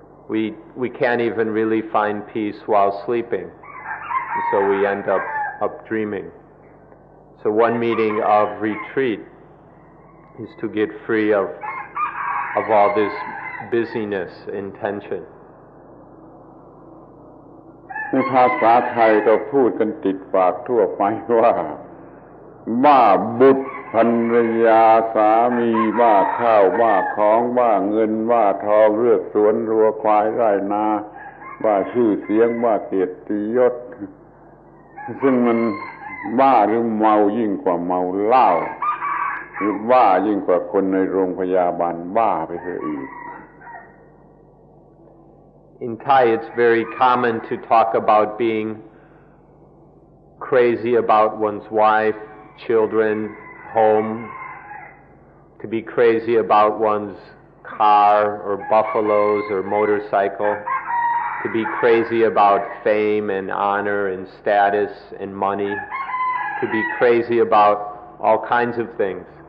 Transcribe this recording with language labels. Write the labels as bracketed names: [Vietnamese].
[English] We can't even really find peace while sleeping. And so we end up dreaming. So one meaning of retreat is to get free of all this busyness and tension. [Thai] ภาษาไทยก็พูดกันติดปากทั่วไปว่าบ้าบุตรภรรยาสามีบ้าข้าวบ้าของบ้าเงินบ้าทองเลือกสวนรัวควายไร่นาบ้าชื่อเสียงบ้าเกียรติยศซึ่งมันบ้าหรือเมายิ่งกว่าเมาเหล้าหรือบ้ายิ่งกว่าคนในโรงพยาบาลบ้าไปเถอะอีก [English] In Thai it's very common to talk about being crazy about one's wife, children, home, to be crazy about one's car or buffaloes or motorcycle, to be crazy about fame and honor and status and money, to be crazy about all kinds of things.